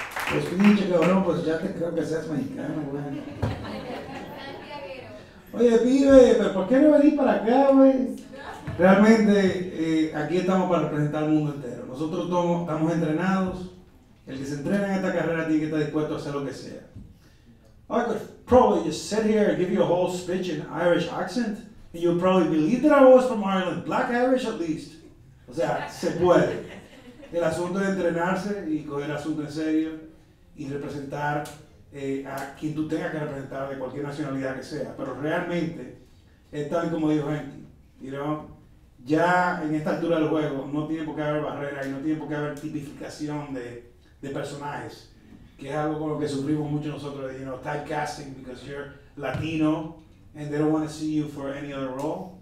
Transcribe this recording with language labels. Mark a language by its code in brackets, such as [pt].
[es] Pues pinche cabrón, pues ya te creo que seas mexicano, güey. Oye, pibe, ¿pero por qué no venís para acá, güey? Realmente, aquí estamos para representar al mundo entero. Nosotros estamos entrenados El que se entrena en esta carrera tiene que estar dispuesto a hacer lo que sea. [en] I could probably just sit here and give you a whole speech in Irish accent, and you'll probably believe that I was from Ireland, black Irish at least. [es] O sea, se puede. El asunto es entrenarse y coger el asunto en serio y representar a quien tú tengas que representar de cualquier nacionalidad que sea. Pero realmente, es tal como dijo Henry, ya en esta altura del juego no tiene por qué haber barrera y no tiene por qué haber tipificación de personajes, que es algo con lo que sufrimos mucho nosotros, de, [en] typecasting because you're Latino and they don't want to see you for any other role.